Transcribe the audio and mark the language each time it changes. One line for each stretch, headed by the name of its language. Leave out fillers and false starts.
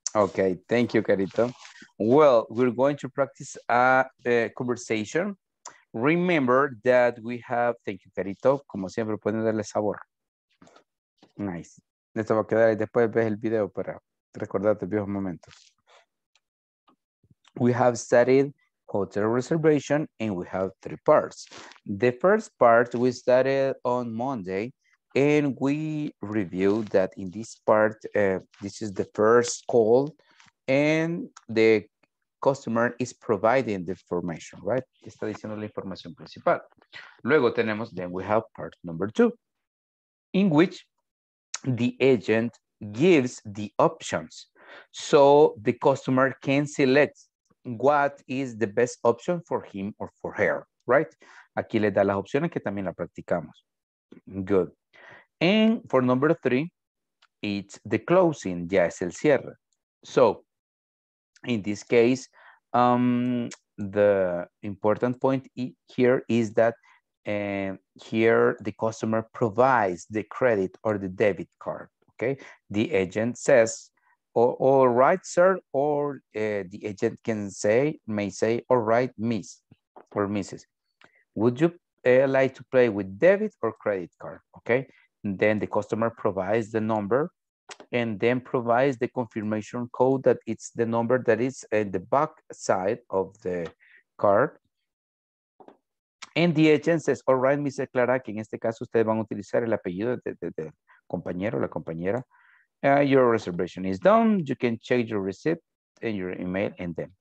English: Okay, thank you, Carito. Well, we're going to practice a conversation. Remember that we have... Thank you, Carito.
Spanish: Como siempre, pueden darle sabor. Nice. Esto va a quedar ahí. Después ves el video para recordarte viejos momentos.
English: We have studied hotel reservation, and we have three parts. The first part we started on Monday, and we reviewed that in this part, this is the first call, and the customer is providing the information, right?
Spanish: Está diciendo la información principal. Luego tenemos,
English: then we have part number two, in which the agent gives the options, so the customer can select what is the best option for him or for her, right?
Spanish: Aquí les da las opciones que también la practicamos.
English: Good. And for number three, it's the closing,
Spanish: ya es el cierre.
English: So, in this case, the important point here is that here the customer provides the credit or the debit card, okay? The agent says, all right, sir, or the agent may say, all right, miss or missus. Would you like to play with debit or credit card? Okay, and then the customer provides the number and then provides the confirmation code that it's the number that is at the back side of the card. And the agent says, all right, Mrs.
Spanish: Clara, que en este caso ustedes van a utilizar el apellido de compañero, la compañera.
English: Your reservation is done. You can check your receipt and your email and then.